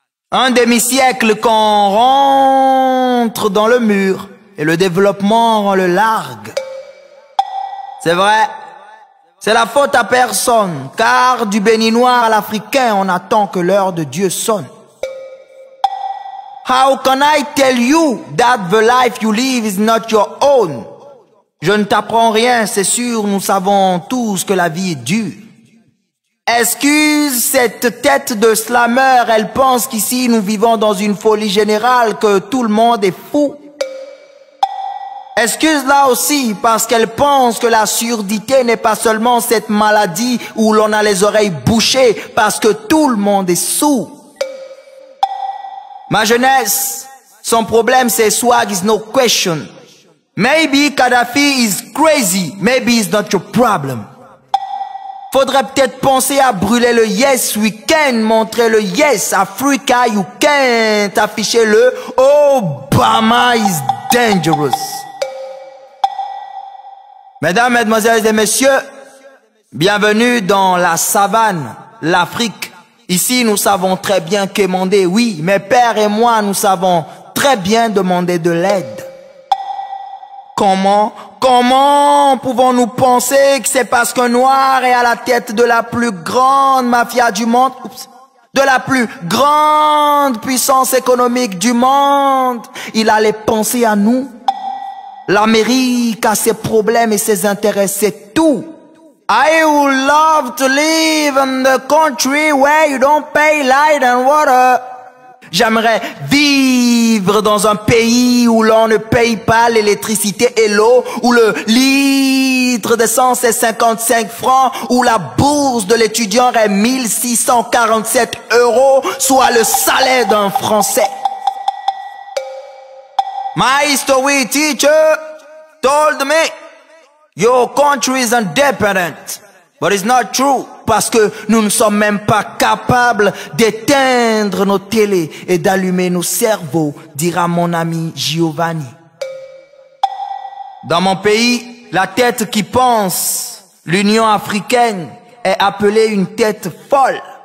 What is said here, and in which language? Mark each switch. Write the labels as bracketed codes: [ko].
[fr] Un demi-siècle qu'on rentre dans le mur et le développement rend le largue. C'est vrai, c'est la faute à personne, car du béninois à l'africain, on attend que l'heure de Dieu sonne. [en] How can I tell you that the life you live is not your own? [fr] Je ne t'apprends rien, c'est sûr, nous savons tous que la vie est dure. Excuse cette tête de slammer, elle pense qu'ici nous vivons dans une folie générale, que tout le monde est fou. Excuse-la aussi, parce qu'elle pense que la surdité n'est pas seulement cette maladie où l'on a les oreilles bouchées, parce que tout le monde est sous. Ma jeunesse, son problème c'est [en] swag is no question. Maybe Gaddafi is crazy, maybe it's not your problem. [fr] Faudrait peut-être penser à brûler le [en] yes we can, [fr] montrer le [en] yes Africa you can't, [fr] afficher le [en] Obama is dangerous. [fr] Mesdames, mesdemoiselles et messieurs, bienvenue dans la savane, l'Afrique. Ici nous savons très bien qu'émander, oui, mes pères et moi nous savons très bien demander de l'aide. Comment pouvons-nous penser que c'est parce qu'un noir est à la tête de la plus grande mafia du monde, de la plus grande puissance économique du monde, il allait penser à nous? L'Amérique a ses problèmes et ses intérêts, c'est tout. [en] I would love to live in the country where you don't pay light and water. [fr] J'aimerais vivre dans un pays où l'on ne paye pas l'électricité et l'eau, où le litre d'essence est 55 francs, où la bourse de l'étudiant est 1647 euros, soit le salaire d'un Français. [en] My history teacher told me, your country is independent, but it's not true. [fr] Parce que nous ne sommes même pas capables d'éteindre nos télés et d'allumer nos cerveaux, dira mon ami Giovanni. Dans mon pays, la tête qui pense, l'Union africaine, est appelée une tête folle.